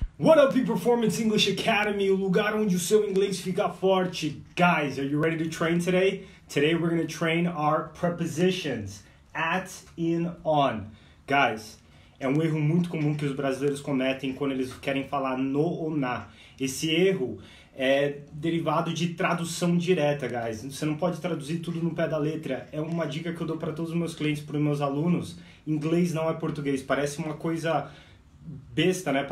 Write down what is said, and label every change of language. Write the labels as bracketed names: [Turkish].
[English] What up, [Portuguese] Performance English Academy, o lugar onde o seu inglês fica forte. [English] Guys, are you ready to train today? Today we're going to train our prepositions, at, in, on. [Portuguese] Guys, é um erro muito comum que os brasileiros cometem quando eles querem falar no ou na. Esse erro é derivado de tradução direta, guys. Você não pode traduzir tudo no pé da letra. É uma dica que eu dou para todos os meus clientes, para os meus alunos. Inglês não é português, parece uma coisa besta, né?